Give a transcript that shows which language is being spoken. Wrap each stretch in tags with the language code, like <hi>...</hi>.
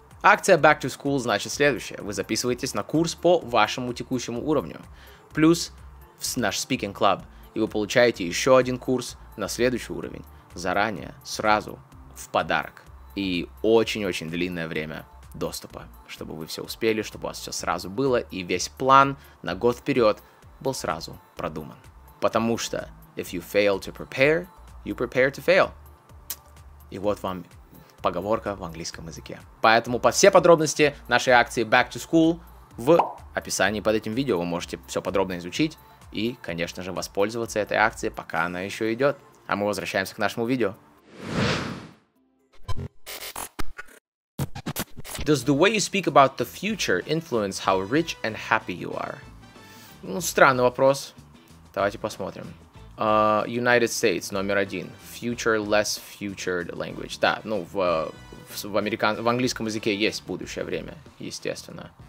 <ru>Акция Back to School значит следующее. Вы записываетесь на курс по вашему текущему уровню, плюс в наш Speaking Club, и вы получаете еще один курс на следующий уровень. Заранее, сразу, в подарок. И очень-очень длинное время доступа, чтобы вы все успели, чтобы у вас все сразу было, и весь план на год вперед был сразу продуман. Потому что,</ru> <en>if you fail to prepare, you prepare to fail.</en> <ru>И вот вам поговорка в английском языке. Поэтому по все подробности нашей акции Back to School в описании под этим видео вы можете все подробно изучить и, конечно же, воспользоваться этой акцией, пока она еще идет. А мы возвращаемся к нашему видео.</ru> <en>Does the way you speak about the future influence how rich and happy you are?</en> <ru>Ну, странный вопрос. Давайте посмотрим. United States, номер один.</ru> <en>Future, less futured language.</en> <ru>Да, ну, в английском языке есть будущее время, естественно.</ru>